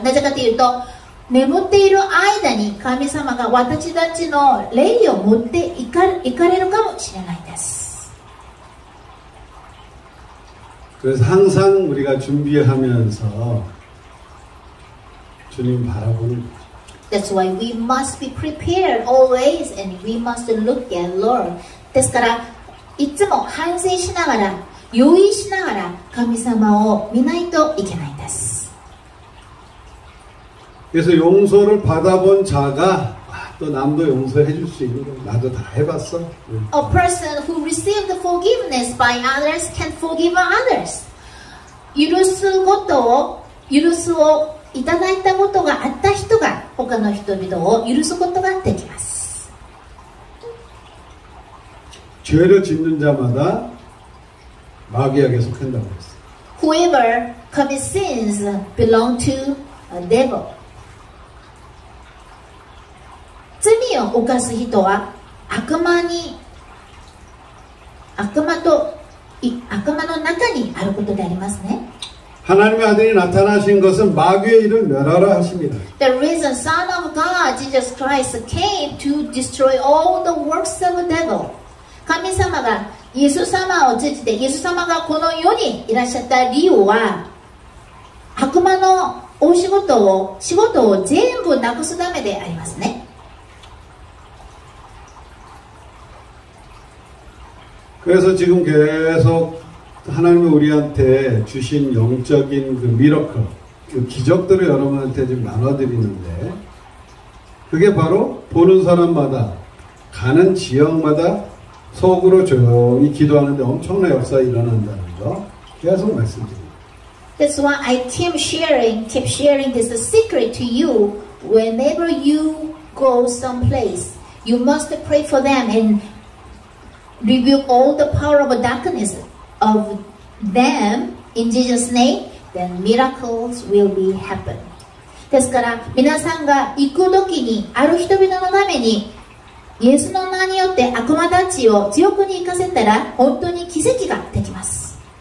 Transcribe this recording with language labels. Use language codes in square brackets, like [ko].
[ja] なぜかというと眠っている間に神様が私たちの霊を持っていか、行かれるかもしれないです。 [ko] 그래서항상우리가준비하면서주님바라보는 [en] That's why we must be prepared always and we must look at Lord. [ja] ですからいつも反省しながら用意しながら神様を見ないといけないんです。 [ko] 그래서용서를받아본자가또남도용서해줄수있는거나도다해봤어 [en] A person who received forgiveness by others can forgive others. [ja] 許すことを許すをいただいたことがあった人が他の人々を許すことができます。 [ko] 죄를짓는자마다마귀에게속한다고했어 [en] Whoever commits sins belong to a devil. [ja] 罪を犯す人は悪魔に悪魔と悪魔の中にあることでありますね [ko] 하나님의아들이나타나신것은마귀의일을멸하라하십니다 [en] The reason Son of God, Jesus Christ came to destroy all the works of the devil. [ja] 神様がイエス様を通じてイエス様がこの世にいらっしゃった理由は悪魔のお仕事を仕事を全部なくすためでありますね。 [ko] 그래서지금계속하나님이우리한테주신영적인그미러클그기적들을여러분한테지금나눠드리는데그게바로보는사람마다가는지역마다속으로조용히기도하는데엄청난역사가일어난다는거계속말씀드립니다 [en] That's why I keep sharing this secret to you. Whenever you go someplace, you must pray for them and rebuke all the power of darkness of them in Jesus' name. Then miracles will be happen. [ja] ですから皆さんが行くときにある人々のためにイエスの名によって悪魔たちを地獄に行かせたら本当に奇跡ができます。